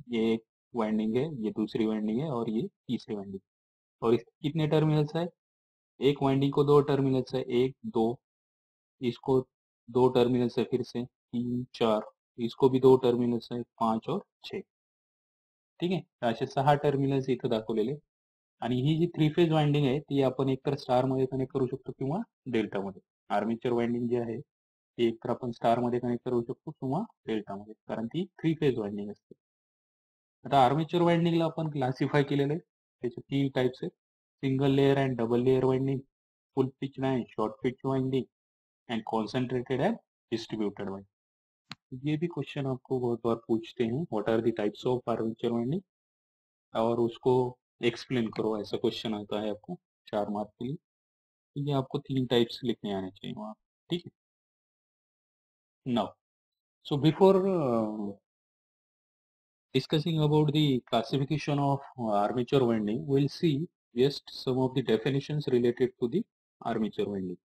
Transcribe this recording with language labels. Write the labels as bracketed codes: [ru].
[hi] ये एक वाइंडिंग है, ये दूसरी वाइंडिंग है और ये तीसरी वाइंडिंग. और इस कितने टर्मिनल्स है, एक वाइंडिंग को दो टर्मिनल्स है, एक दो, इसको दो टर्मिनल्स है, फिर से तीन चार, इसको भी दो टर्मिनल्स है, पांच और छह. [mr] ठीक है, असे सहा टर्मिनल्स इथं दाखवलेले. आणि ही जी थ्री फेज वाइंडिंग आहे ती आपण एकतर स्टार मध्ये कनेक्ट करू शकतो किंवा डेल्टा मध्ये. आर्मेचर वाइंडिंग जी आहे ती एकतर आपण स्टार मध्ये कनेक्ट करू शकतो किंवा डेल्टा मध्ये, कारण ती थ्री फेज वाइंडिंग असते. आता आर्मेचर वाइंडिंगला आपण क्लासिफाय केलेलं आहे, त्याचे तीन टाइप्स आहेत, single layer and double layer winding, full pitch and short pitch winding and concentrated and distributed winding. [hi] ये भी क्वेश्चन आपको बहुत बार पूछते हैं, [en] what are the types of armature winding, [hi] और उसको एक्सप्लेन करो, ऐसा क्वेश्चन आता है आपको चार मार्क के लिए. ये आपको तीन टाइप्स लिखने आने चाहिए वहां. ठीक है, [en] Now so before discussing about the classification of armature winding, we will see just some of the definitions related to the armature winding.